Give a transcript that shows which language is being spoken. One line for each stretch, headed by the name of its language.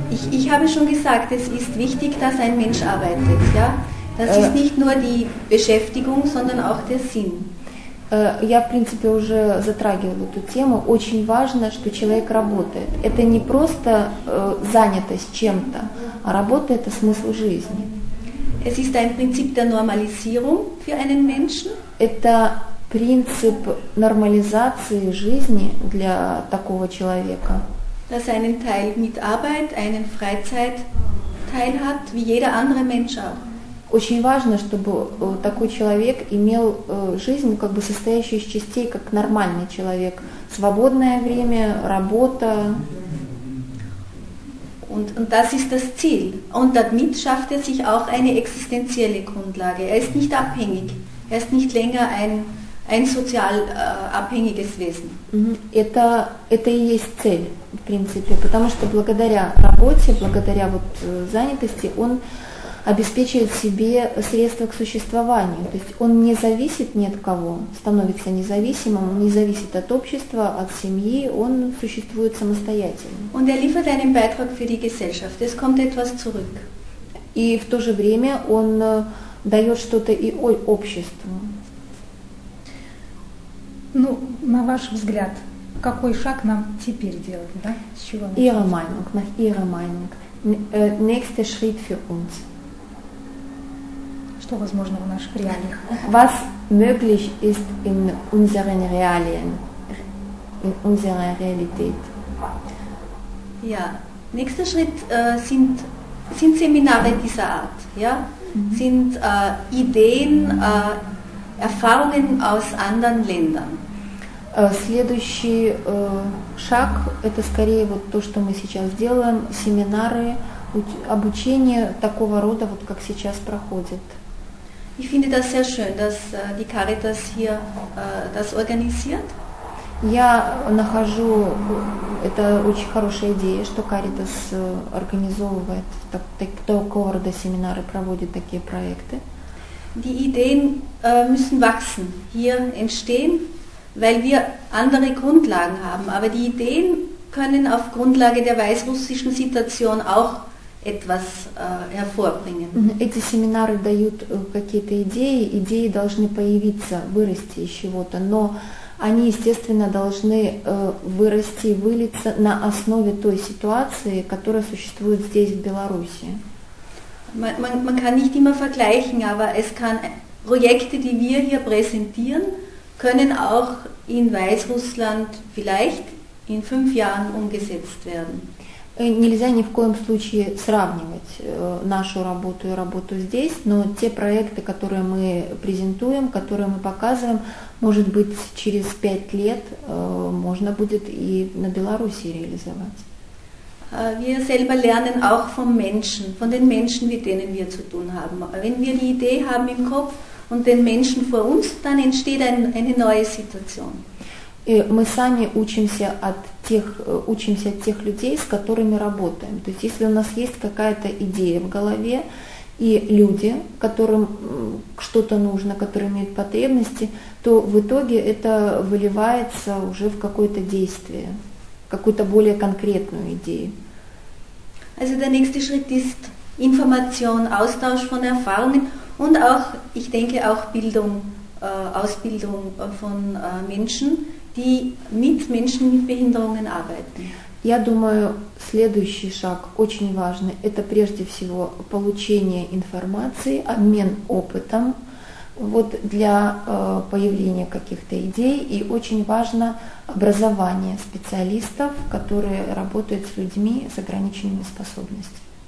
German: Ich habe schon gesagt, es ist wichtig, dass ein Mensch arbeitet. Ja? Das ist nicht nur die Beschäftigung, sondern auch der Sinn.
Russian: Я, в принципе, уже затрагивала эту тему. Очень важно, что человек работает. Это не просто занятость чем-то, а работа – это смысл жизни.
German: Es ist ein Prinzip der Normalisierung für einen Menschen.
Russian: Это принцип нормализации жизни для такого человека.
German: Dass er einen Teil mit Arbeit, einen Freizeitteil hat, wie jeder andere Mensch auch.
Russian: Очень важно, чтобы такой человек имел жизнь, как бы состоящую из частей, как нормальный человек. Свободное время, работа.
German: Und das ist das Ziel. Und damit schafft er sich auch eine existenzielle Grundlage. Er ist nicht abhängig. Er ist nicht länger ein sozial abhängiges Wesen.
Russian: Это и есть цель, в принципе. Потому что благодаря работе, благодаря вот занятости, он обеспечивает себе средства к существованию. То есть он не зависит ни от кого, становится независимым, он не зависит от общества, от семьи, он существует самостоятельно.
German: Und er liefert einen Beitrag für die Gesellschaft. Es kommt etwas zurück.
Russian: И в то же время он дает что-то и обществу. Ну, на ваш взгляд, какой шаг нам теперь делать, да? С чего начать?
German: Ihre Meinung, nach Ihrer Meinung. Nächster Schritt für uns.
Russian: Что возможно в наших реалиях?
German: Was möglich ist in unseren Realien, in unserer Realität? Ja, nächster Schritt sind Seminare dieser Art, ja? Mhm. Sind Ideen, Erfahrungen aus anderen Ländern.
Russian: Следующий шаг это скорее вот то, что мы сейчас делаем, семинары, обучение такого рода вот как сейчас проходит.
German: Ich finde das sehr schön, dass die Caritas hier das organisiert.
Russian: Я нахожу это очень хорошая идея, что Caritas организовывает такого рода семинары, проводит такие проекты.
German: Die Ideen müssen wachsen, hier entstehen, weil wir andere Grundlagen haben. Aber die Ideen können auf Grundlage der weißrussischen Situation auch etwas hervorbringen.
Russian: Эти семинары дают какие-то идеи, идеи должны появиться, вырасти из чего-то, но они, естественно, должны вырасти, вылиться на основе той ситуации, которая существует здесь, в Беларуси.
German: Man kann nicht immer vergleichen, aber es kann Projekte, die wir hier präsentieren, können auch in Weißrussland vielleicht in 5 Jahren umgesetzt werden.
Russian: Нельзя ни в коем случае сравнивать нашу работу и работу здесь, но те проекты, которые мы презентуем, которые мы показываем, может быть, через 5 лет можно будет и на Беларуси реализовать.
German: Wir selber lernen auch vom Menschen, von den Menschen, mit denen wir zu tun haben. Wenn wir die Idee haben im Kopf und den Menschen vor uns, dann entsteht eine neue Situation.
Russian: И мы сами учимся от тех людей, с которыми работаем. То есть если у нас есть какая-то идея в голове, и люди, которым что-то нужно, которые имеют потребности, то в итоге это выливается уже в какое-то действие, какую-то более конкретную идею.
German: Also der nächste Schritt ist Information, Austausch von Erfahrungen und auch, ich denke, auch Bildung, Ausbildung von Menschen, die mit Menschen mit Behinderungen arbeiten.
Russian: Я думаю, следующий шаг очень важный. Это прежде всего получение информации, обмен опытом. Вот для появления каких-то идей. И очень важно образование специалистов, которые работают с людьми с ограниченными способностями.